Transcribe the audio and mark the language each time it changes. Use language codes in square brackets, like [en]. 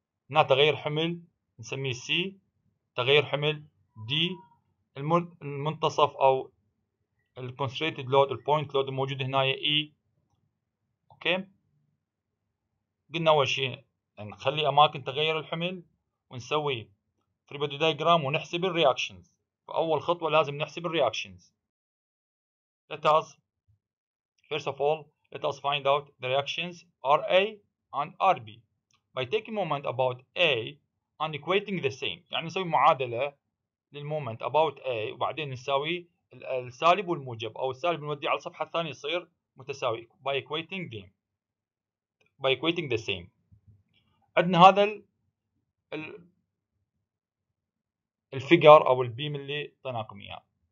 [ar] هنا تغيير حمل نسميه سي، تغيير حمل دي، المنتصف او الكونستريتد لود البوينت لود الموجود هنا اي. اوكي، قلنا اول شيء نخلي اماكن تغير الحمل ونسوي فري بودي دايجرام ونحسب الرياكشنز. فاول خطوه لازم نحسب الرياكشنز. [en] Let us first of all let us find out the reactions RA and RB by taking moment about A and equating the same. [ar] يعني نسوي معادلة للمومنت [en] about A [ar] وبعدين نساوي السالب والموجب، أو السالب نوديه على الصفحة الثانية يصير متساوي [en] by equating them. By equating the same. [ar] عندنا هذا الفيجر أو البيم اللي طيناكم إياه.